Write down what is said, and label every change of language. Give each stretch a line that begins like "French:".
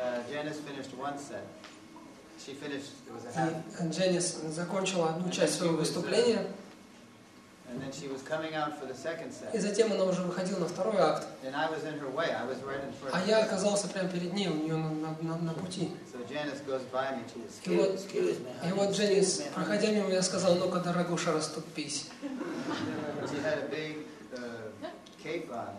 Russian: И Дженнис закончила одну часть своего выступления.
English: And then she was coming out for the second set.
Russian: И затем она уже выходила на второй акт.
English: And I was in her way. I was right in front.
Russian: А я оказался прямо перед ней, у нее на пути.
English: So Janice goes by me.
Russian: И вот, Дженнис, проходя мимо, я сказал: ну-ка, дорогуша, расступись.
English: She had a big cape on.